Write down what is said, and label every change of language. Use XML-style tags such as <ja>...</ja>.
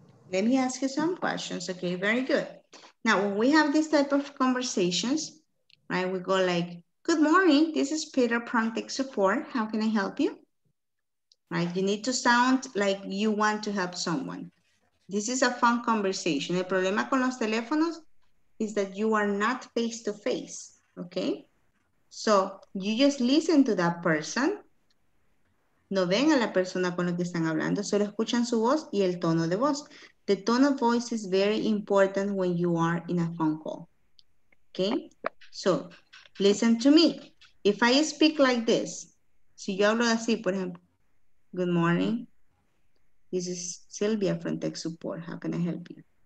<en>Let me ask you some questions, okay, very good. Now, when we have this type of conversations, right, we go like, good morning, this is Peter from Tech Support, how can I help you? Right, you need to sound like you want to help someone. This is a fun conversation.</en> <es>El problema con los teléfonos</es> <en>is that you are not face to face, okay? So you just listen to that person</en> <es>No ven a la persona con la que están hablando, solo escuchan su voz y el tono de voz.</es> <en>The tone of voice is very important when you are in a phone call. Okay? So, listen to me. If I speak like this,</en> <es>si yo hablo así, por ejemplo,</es> <en>good morning. This is Sylvia from Tech Support. How can I help you?</en>